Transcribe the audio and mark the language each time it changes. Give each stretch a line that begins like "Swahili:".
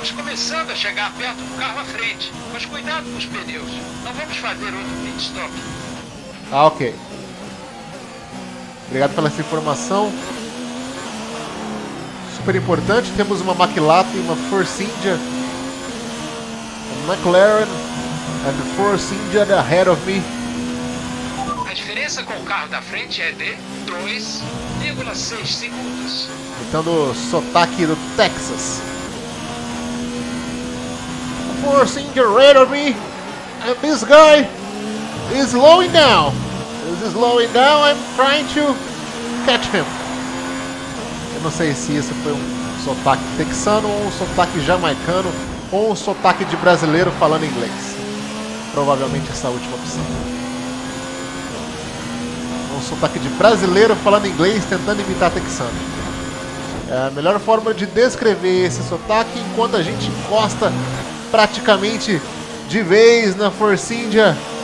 Portuguese: Começando a chegar perto do carro à frente, mas cuidado com os pneus. Não vamos fazer outro pit stop. Ah, ok. Obrigado pela essa informação. Super importante. Temos uma McLaren e uma Force India.
English: A McLaren and Force India ahead of me.
Portuguese: A diferença com o carro da frente é de 2,6 segundos. Então do sotaque do Texas.
English: Force India ahead of me. And this guy is slowing down. This is slowing down, I'm trying to catch him.
Portuguese: Eu não sei se isso foi um sotaque texano ou um sotaque jamaicano ou um sotaque de brasileiro falando inglês. Provavelmente essa última opção. Um sotaque de brasileiro falando inglês tentando imitar texano. É a melhor forma de descrever esse sotaque enquanto a gente encosta praticamente de vez na Force India.